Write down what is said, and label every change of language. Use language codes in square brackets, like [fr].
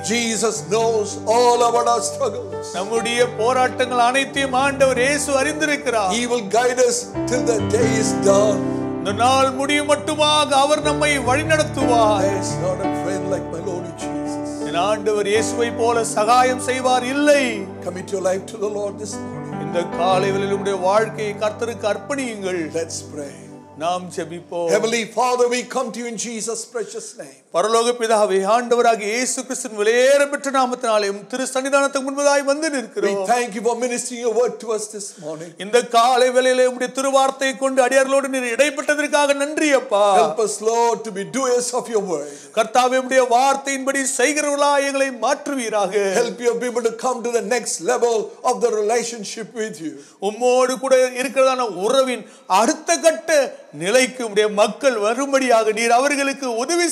[en] Jesus knows all of our struggles. [ta] நம்முடைய போராட்டங்கள் அனைத்தையும் ஆண்டவர் இயேசு அறிந்திருக்கிறார். [en] He will guide us till the day is done. [ta] இந்த நாள் முடியும் மட்டுமாக அவர் நம்மை வழிநடத்துவார். [en] He is not a friend like my Lord Jesus. [ta] இந்த ஆண்டவர் இயேசுவை போல சகாயம் செய்வார் இல்லை. [en] Commit your life to the Lord this morning. [ta] இந்த காலையிலே உங்களுடைய வாழ்க்கையை கர்த்தருக்கு அர்ப்பணியுங்கள். [en] Let's pray. [ta] நாம் ஜெபிப்போம். [en] Heavenly Father, we come to you in Jesus precious name. [ta] பரலோக பிதாவே, ஆண்டவராகிய இயேசு கிறிஸ்துவின் விலையேறப்பெற்ற நாமத்தினாலே திரு சன்னிதானத்துக்கு முன்பதாய் வந்து நிற்கிறோம். [en] We thank you for ministering your word to us this morning. [ta] இந்த காலை வேளையிலே உம்முடைய திருவார்த்தை கொண்டு அடியார்களோடு நீர் இடைப்பட்டதற்காக நன்றி அப்பா. [en] Help us Lord to be doers of your word. [ta] கர்த்தாவே, உம்முடைய வார்த்தையின்படி செய்கிறவர்களாய் எங்களை மாற்றுவீராக. [en] Help your people to come to the next level of the relationship with you. [ta] உம்மோடு கூட இருக்கிறதான உறவின் அடுத்த கட்ட நிலைக்கு மக்கள் வரும்படியாக நீர் அவர்களுக்கு உதவி